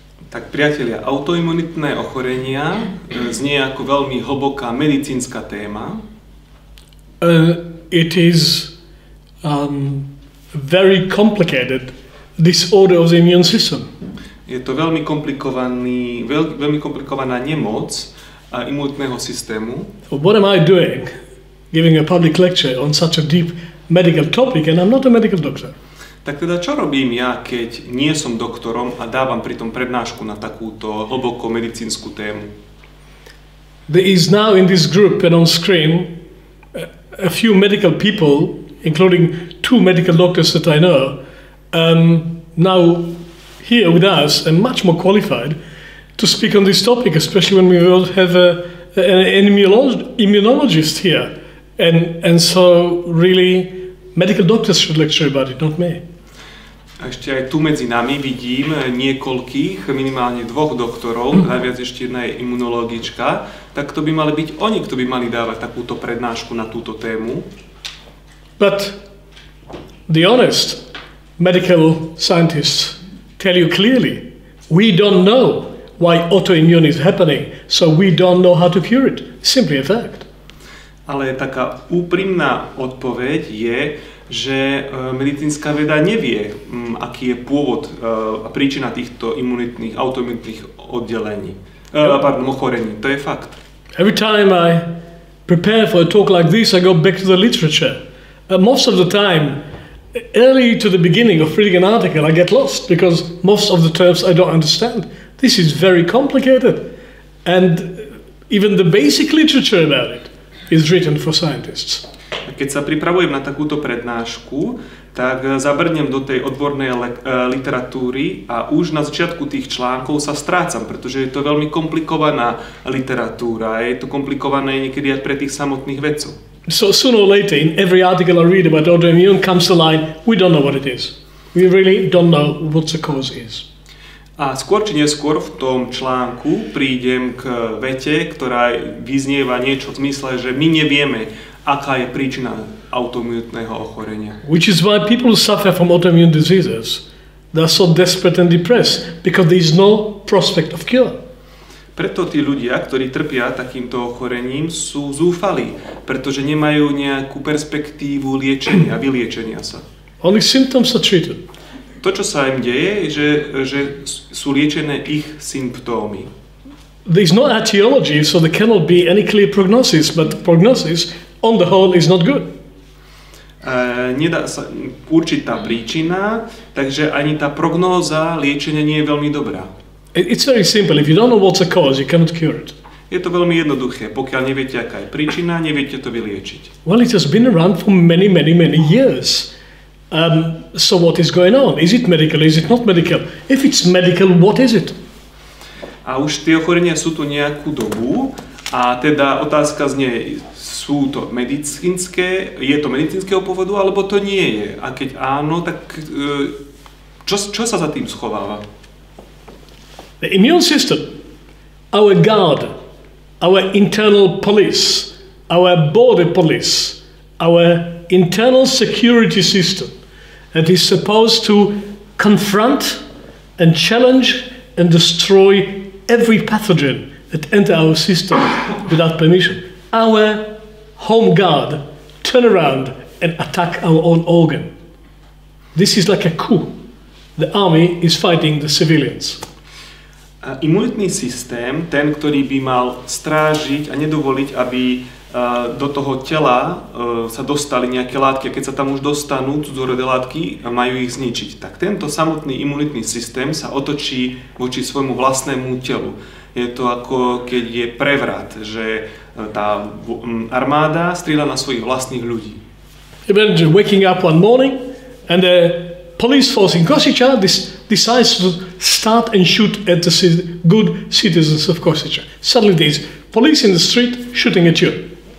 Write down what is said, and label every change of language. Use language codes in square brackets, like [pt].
[sk] Tak priatelia, autoimunitné ochorenia znie ako veľmi hlboká medicínska téma. [en] It is very complicated disorder of the immune system. [sk] Je to veľmi komplikovaný, veľmi komplikovaná nemoc imunitného systému. [en] So what am I doing giving a public lecture on such a deep medical topic and I'm not a medical doctor? [sk] Tak teda čo robím ja, keď nie som doktorom a dávam pri tom prednášku na takúto hlbokú medicínsku tému? [en] There is now in this group and on screen a few medical people, including two medical doctors that I know, now here with us and much more qualified to speak on this topic, especially when we will have an immunologist here. And so really medical doctors should lecture about it, not me. [sk] A ešte aj tu medzi nami vidím niekoľkých, minimálne dvoch doktorov, najviac ešte jedna je imunologička, tak to by mali byť oni, kto by mali dávať takúto prednášku na túto tému. [en] But the honest medical scientists tell you clearly, we don't know why autoimmune is happening, so we don't know how to cure it. Simply a fact. [sk] Ale taká úprimná odpoveď je, že medicínska veda nevie, aký je pôvod a príčina týchto imunitných, autoimunitných oddelení. Ochorení, to je fakt. [en] Every time I prepare for a talk like this, I go back to the literature. Most of the time, early to the beginning of reading an article, I get lost because most of the terms I don't understand. This is very complicated. And even the basic literature about it is written for scientists. [sk] Keď sa pripravujem na takúto prednášku, tak zabrnem do tej odbornej literatúry a už na začiatku tých článkov sa strácam, pretože je to veľmi komplikovaná literatúra. Je to komplikované niekedy aj pre tých samotných vedcov. [en] So sooner or later, in every article I read about autoimmune comes the line, we don't know what it is. We really don't know what the cause is. [sk] A skôr či neskôr v tom článku prídem k vete, ktorá vyznieva niečo v zmysle, že my nevieme, aká je príčina autoimmunitného ochorenia. [en] Which is why people who suffer from autoimmune diseases, they are so desperate and depressed, because there is no prospect of cure. [sk] Preto tí ľudia, ktorí trpia takýmto ochorením, sú zúfali, pretože nemajú nejakú perspektívu liečenia, vyliečenia sa. [en] Only symptoms are treated. [sk] To, čo sa im deje, je, že sú liečené ich symptómy. [en] There is no etiology, so there cannot be any clear prognosis, but prognosis on the whole is not good. [sk] Nedá sa určiť tá príčina, takže ani tá prognóza liečenia nie je veľmi dobrá. [en] It's very simple. If you don't know what's the cause, you cannot cure it. [sk] Je to veľmi jednoduché. Pokiaľ neviete, aká je príčina, neviete to vyliečiť. [en] Well, it has been around for many, many, many years. So what is going on? Is it medical? Is it not medical? If it's medical, what is it? [sk] A už tie ochorenia sú tu nejakú dobu. A teda otázka znie, sú to medicínske, je to medicínskeho pôvodu, alebo to nie je? A keď áno, tak čo sa za tým schováva? [en] The immune system, our guard, our internal police, our border police, our internal security system that is supposed to confront and challenge and destroy every pathogen that enter our system without permission. Our home guard turn around and attack our own organ. This is like a coup. The army is fighting the civilians. [sk] A imunitný systém, ten, ktorý by mal strážiť a nedovoliť, aby do toho tela sa dostali nejaké látky, a keď sa tam už dostanú cudzorodé látky, majú ich zničiť. Tak tento samotný imunitný systém sa otočí voči svojmu vlastnému telu. Je to ako keď je prevrat, že tá armáda strieľa na svojich vlastných ľudí. [en] Imagine waking up one morning and the police force in Košice decides to start and shoot at the good citizens of Košice. Suddenly there is police in the street shooting at you.